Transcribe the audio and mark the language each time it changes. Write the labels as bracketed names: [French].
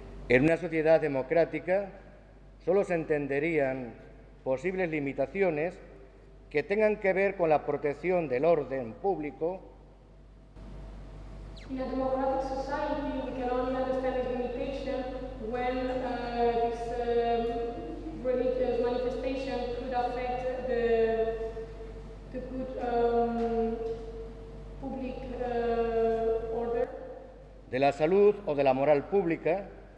[Spanish] En una sociedad democrática, solo se entenderían posibles limitaciones que tengan que ver con la protección del orden público. [English] In a democratic society, we can only understand its limitation when this religious manifestation could affect the good public order. [Spanish] De la salud o de la moral pública.